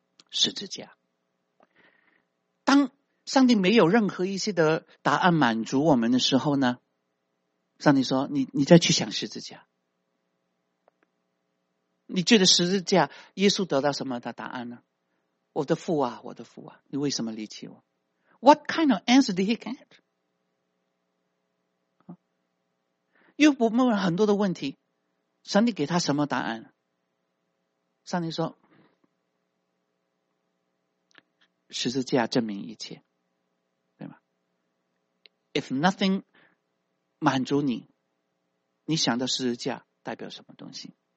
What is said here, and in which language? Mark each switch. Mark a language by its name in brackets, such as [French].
[Chinese] 十字架。当上帝没有任何一些的答案满足我们的时候呢，上帝说，你再去想十字架。你觉得十字架，耶稣得到什么的答案呢？我的父啊，我的父啊，你为什么离弃我？ [English] What kind of answer did he get? [Chinese] 又不问了很多的问题，上帝给他什么答案？上帝说，十字架证明一切，对吗？ [English] If nothing [Chinese] 满足你，你想到十字架代表什么东西？